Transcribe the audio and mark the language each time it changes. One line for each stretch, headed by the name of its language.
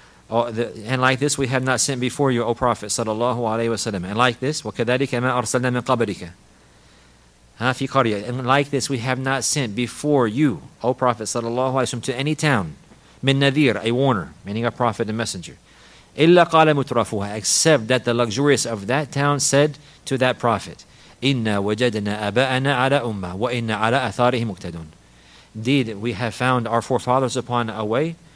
English: And like this, we have not sent before you, O Prophet sallallahu alayhi wa sallam. And like this,
Arabic: وَكَذَلِكَ مَا أَرْسَلْنَا مِنْ قَبْلِكَ.
English: And like this, we have not sent before you, O Prophet sallallahu alayhi wa sallam, to any town,
Arabic: مِنْ نَذِيرٍ,
English: a warner, meaning a prophet and messenger.
Arabic: إِلَّا قَالَ مُتْرَفُوهَا,
English: except that the luxurious of that town said to that prophet,
Arabic: إِنَّا وَجَدْنَا أَبَاءَنَا عَلَى أُمَّةٍ وَإِنَّا عَلَى أَثَارِهِمْ مُقْتَدُونَ.
English: Indeed, we have found our forefathers upon a way,